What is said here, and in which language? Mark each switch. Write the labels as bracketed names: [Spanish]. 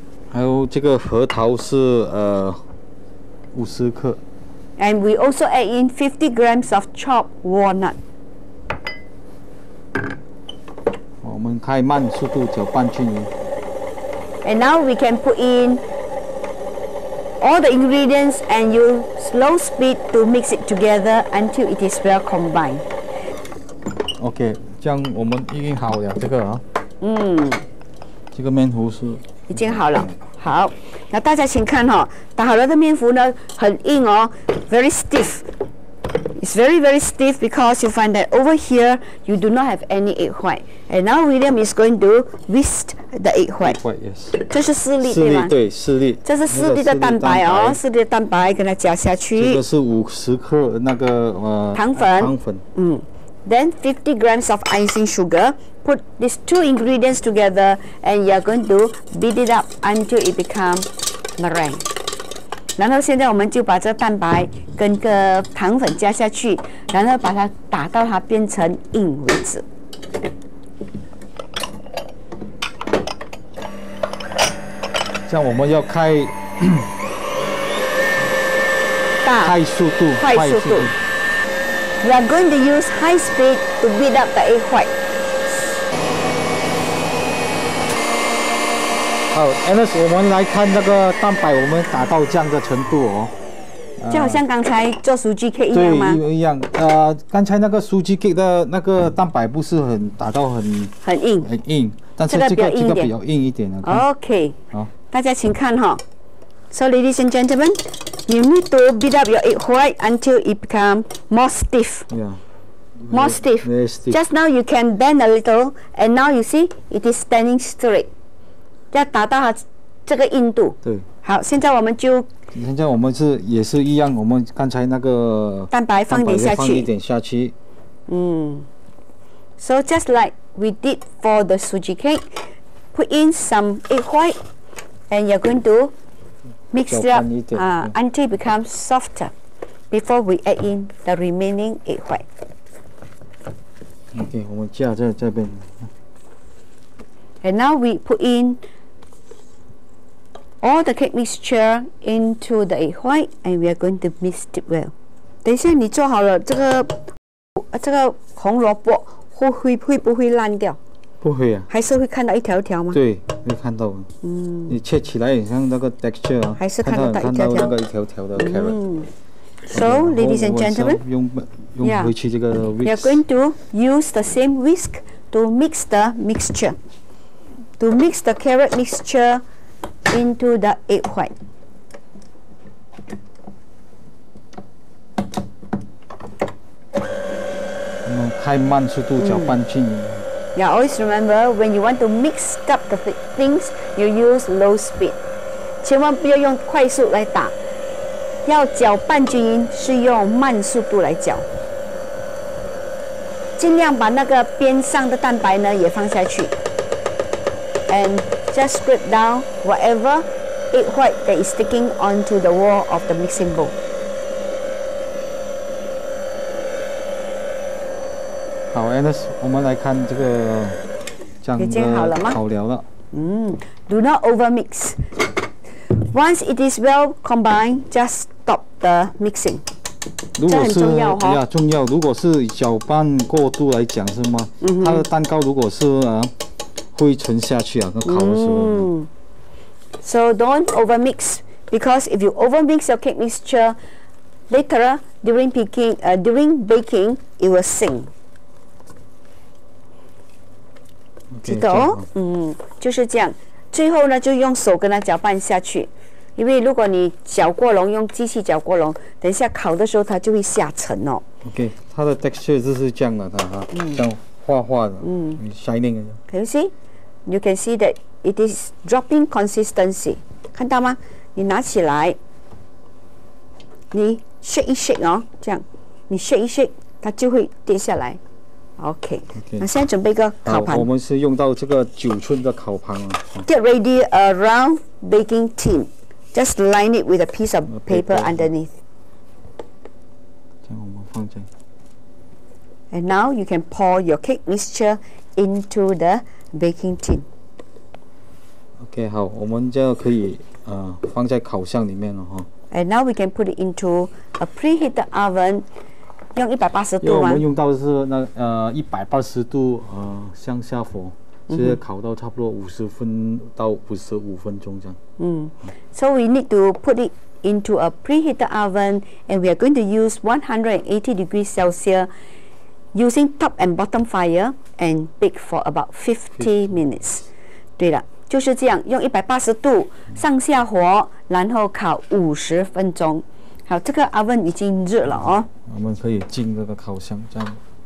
[Chinese] 还有这个核桃是五十克。 [English] And we also add in 50 grams of chopped walnut. [Chinese] 我们开慢速度搅拌均匀。 [English] And now we can put in all the ingredients and use slow speed to mix it together until it is well combined. [Chinese] Okay, 这样我们已经好了这个啊。嗯。这个面糊是。已经好了。好，那大家请看哦，打好了的面糊呢很硬哦， [English] very stiff. It's very very stiff because you find that over here you do not have any egg white. And now William is going to whisk the egg white. Egg white, yes. [Chinese] 这是四粒对吗？对，四粒。这是四粒的蛋白哦，四粒的蛋白跟它搅下去。这个是五十克那个糖粉。糖粉。 [English] 嗯。Then 50 grams of icing sugar. Put these two ingredients together, and you are going to beat it up until it becomes meringue. [Chinese] 然后现在我们就把这蛋白跟个糖粉加下去，然后把它打到它变成硬为止。这样我们要开大，快速度，快速度。 [English] We are going to use high speed to beat up the egg white. [Chinese] 好 ，Alice， 我们来看那个蛋白，我们打到这样的程度哦。就好像刚才做酥鸡 cake 一样吗？对，一样。刚才那个酥鸡 cake 的那个蛋白不是很打到很硬，很硬。但是这个比较硬一点的。 OK。 大家请看哈、哦。 [English] So, ladies and gentlemen. You need to beat up your egg white until it becomes more stiff. Yeah. More stiff. Very stiff. Just now you can bend a little, and now you see it is standing straight. [Chinese] 要达到它这个硬度。对。好，现在我们就。现在我们是也是一样，我们刚才那个蛋白放点下去。放一点下去。嗯。 [English] So just like we did for the suji cake, put in some egg white, and you're going to. Mix it up until it becomes softer before we add in the remaining egg white. [Chinese] Okay, 我们加在这边。 [English] And now we put in all the cake mixture into the egg white and we are going to mix it well. [Chinese] 等一下你做好了这个红萝卜会不会烂掉？不会啊，还是会看到一条一条吗？对，会看到。嗯，你切起来很像那个 texture 啊，还是看到看到那个一条条的 carrot。嗯 [English] ，So ladies and gentlemen， [Chinese] 用回去这个 whisk。 [English] You're going to use the same whisk to mix the mixture， to mix the carrot mixture into the egg white。 [Chinese] 我们开慢速度搅拌均匀。 [English] Yeah, always remember when you want to mix up the things, you use low speed. [Chinese] 千万不要用快速来打，要搅拌均匀是用慢速度来搅。尽量把那个边上的蛋白呢也放下去 [English] ，and just scrape down whatever egg white that is sticking onto the wall of the mixing bowl. [Chinese] 好 ，Anders， 我们来看这个酱的好料了。 [English] 嗯 ，Do not over mix. Once it is well combined, just stop the mixing. [Chinese] 如果是这很重要哈、哦。重要。如果是搅拌过度来讲是吗？嗯、它的蛋糕如果是灰尘下去啊，那烤的时候。嗯。 [English] So don't over mix, because if you over mix your cake mixture, later during baking, it will sink. [Chinese] 记得哦，嗯，就是这样。最后呢，就用手跟它搅拌下去，因为如果你搅过笼，用机器搅过笼，等一下烤的时候它就会下沉哦。 OK， 它的 texture 就是这样的，它哈，这样滑滑的，嗯 [English] ，shining。 Can you see? You can see that it is dropping consistency. [Chinese] 看到吗？你拿起来，你 shake 一 shake 哦，这样，你 shake 一 shake， 它就会跌下来。 [English] Okay. [Chinese] 那现在准备一个烤盘。我们是用到这个九寸的烤盘啊。 [English] Get ready a round baking tin. Just line it with a piece of paper underneath. [Chinese] 这样我们放在。 [English] And now you can pour your cake mixture into the baking tin. [Chinese] Okay, 好，我们这可以放在烤箱里面了哈。 [English] And now we can put it into a preheated oven, [Chinese] 用180度吗？因为我们用到的是那180度向下火，所以烤到差不多50分到55分钟这样。 [English] So we need to put it into a preheated oven, and we are going to use 180°C. Using top and bottom fire and bake for about 50 minutes. [Chinese] 对了，就是这样，用180度上下火，然后烤50分钟。好，这个 oven 已经热了哦。我们可以进这个烤箱，这样。